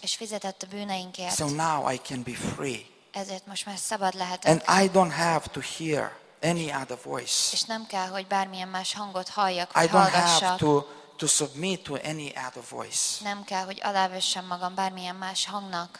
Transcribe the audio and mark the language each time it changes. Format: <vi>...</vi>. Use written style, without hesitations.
<hu>És fizetett a bűneinkért.</hu> <en>So now I can be free.</en> <hu>Ezért most már szabad lehetek.</hu> <en>And I don't have to hear any other voice.</en> <hu>És nem kell, hogy bármilyen más hangot halljak, vagy hallgassak.</hu> <en>To submit to any other voice.</en> <hu>Nem kell, hogy alávessem magam bármilyen más hangnak.</hu>